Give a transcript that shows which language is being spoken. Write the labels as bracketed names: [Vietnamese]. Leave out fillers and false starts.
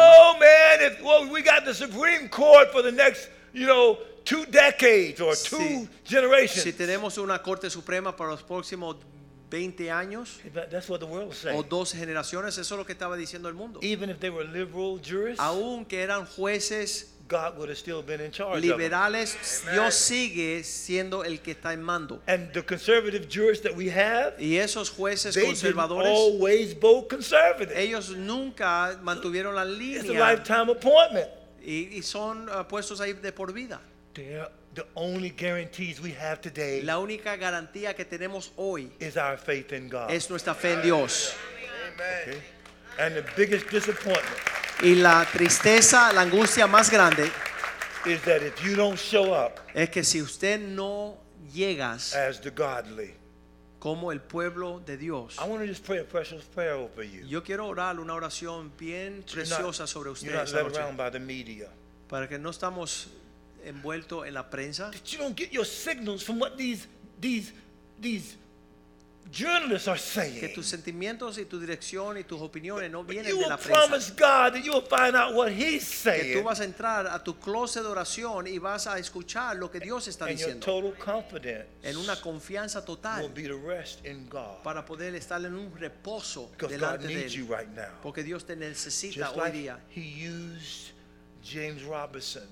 [English] Oh man, if well, we got the Supreme Court for the next, you know, two decades or two [Spanish] si, [English] generations. [Spanish] Si tenemos una Corte Suprema para los próximos 20 años, [English] that's what the world was saying. [Spanish] O dos generaciones, eso es lo que estaba diciendo el mundo. [English] Even if they were liberal jurists, [Spanish] aunque eran jueces, [English] God would have still been in charge. [Spanish] Liberales, Dios sigue siendo el que está en mando. [English] And the conservative jurists that we have, [Spanish] y esos jueces [English] they [Spanish] conservadores, [English] always vote conservative. [Spanish] Ellos nunca mantuvieron la línea. [English] It's a lifetime appointment. [Spanish] Y son puestos ahí de por vida. [English] The only guarantees we have today, [Spanish] la única garantía que tenemos hoy, [English] is our faith in God. [Spanish] Es nuestra fe en Dios. [English] Amen. Okay. And the biggest disappointment, [Spanish] y la tristeza, la angustia más grande, [English] is that if you don't show up, [Spanish] es que si usted no llegas, [English] as the godly, [Spanish] como el pueblo de Dios, [English] I want to just pray a precious prayer over you. [Spanish] Yo quiero orar una oración bien preciosa sobre usted. [English] You're not led around by the media. [Spanish] Para que no estamos envuelto en la prensa. [English] That you don't get your signals from what these journalists are saying. [Spanish] Que tus sentimientos y tu dirección y tus opiniones no vienen de la prensa. [English] You will promise God that you will find out what He's saying. [Spanish] Que tú vas a entrar a tu closet de oración y vas a escuchar lo que Dios está diciendo. [English] And your total confidence. [Spanish] En una confianza total. [English] Will be to rest in God. [Spanish] Para poder estar en un reposo delante de Él. [English] God needs you right now. [Spanish] Porque Dios te necesita [English] just [Spanish] hoy [English] like [Spanish] día. [English] He used James Robinson.